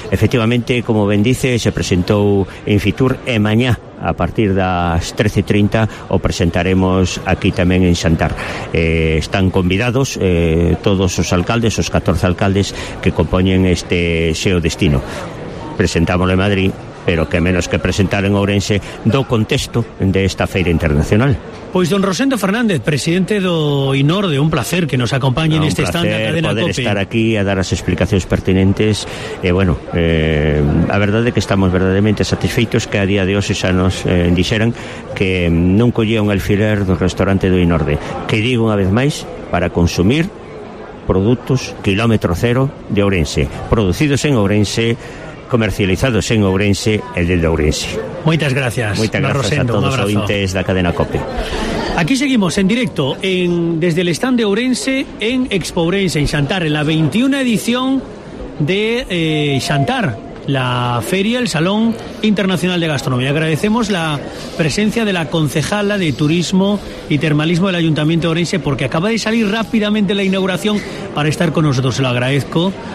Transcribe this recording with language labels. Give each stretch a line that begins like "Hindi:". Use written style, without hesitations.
Galician: Efectivamente, como ben dice, se presentou en Fitur e mañá, a partir das 13:30, o presentaremos aquí tamén en Xantar. Están convidados todos os alcaldes, os 14 alcaldes que compoñen este xeo destino. Presentámoslo en Madrid, pero que menos que presentar en Ourense do contexto de esta feira internacional. Pois don Rosendo Fernández, presidente do INORDE, un placer que nos acompañe en este stand da Cadena poder COPE. Poder estar aquí a dar as explicacións pertinentes. A verdade é que estamos verdadeiramente satisfeitos que a día de hoxe xa nos dixeran que non collía un alfiler do restaurante do INORDE. Que digo unha vez máis, para consumir produtos quilómetro cero de Ourense, producidos en Ourense, comercializados en Ourense, el de Ourense. Moitas gracias. Moitas gracias, Rosendo, a todos os ointes da Cadena COPE.
Spanish: Aquí seguimos en directo desde el stand de Ourense en Expo Ourense, en Xantar, en la 21 edición de Xantar, la feria, el Salón Internacional de Gastronomía. Agradecemos la presencia de la concejala de Turismo y Termalismo del Ayuntamiento de Ourense, porque acaba de salir rápidamente la inauguración para estar con nosotros. Se lo agradezco.